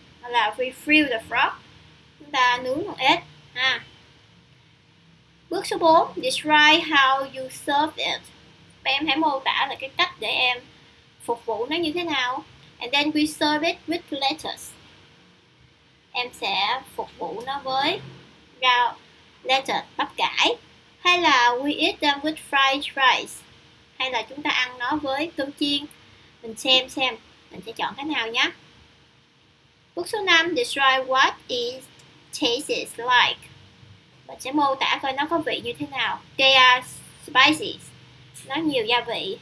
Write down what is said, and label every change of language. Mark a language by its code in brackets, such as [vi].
[vi] Hoặc là [en] we fry the frog. [vi] Chúng ta nướng con ếch. Ha. Bước số 4. [en] Describe how you serve it. [vi] Em hãy mô tả là cái cách để em phục vụ nó như thế nào. [en] And then we serve it with lettuce. [vi] Em sẽ phục vụ nó với rau, lettuce, bắp cải. Hay là [en] we eat them with fried rice. [vi] Hay là chúng ta ăn nó với cơm chiên. Mình xem, mình sẽ chọn cái nào nhé. Bước số 5, [en] describe what it tastes like. [vi] Mình sẽ mô tả coi nó có vị như thế nào. [en] They are spices. [vi] Nó nhiều gia vị.